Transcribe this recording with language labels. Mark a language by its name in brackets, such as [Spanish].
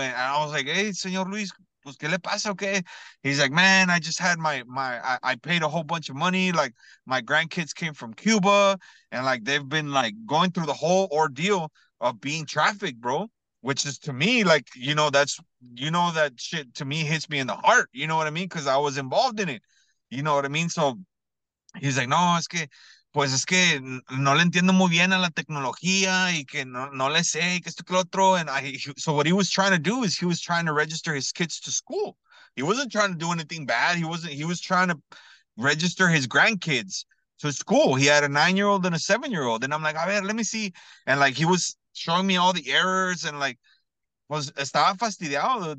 [English] And I was like, hey, Señor Luis, [Spanish] pues, ¿qué le pasa, [English] okay? He's like, man, I just had I paid a whole bunch of money. Like, my grandkids came from Cuba, and, like, they've been, like, going through the whole ordeal of being trafficked, bro. Which is, to me, like, you know, that's, you know, that shit to me hits me in the heart. You know what I mean? Because I was involved in it. You know what I mean? So he's like, [Spanish] no, es que, pues es que no le entiendo muy bien a la tecnología y que no le sé, que esto que lo otro. [English] And so what he was trying to do is he was trying to register his kids to school. He wasn't trying to do anything bad. He was trying to register his grandkids to school. He had a 9-year-old and a 7-year-old. And I'm like, [Spanish] a ver, [English] let me see. And like, he was showing me all the errors and like was [Spanish] estaba fastidiado.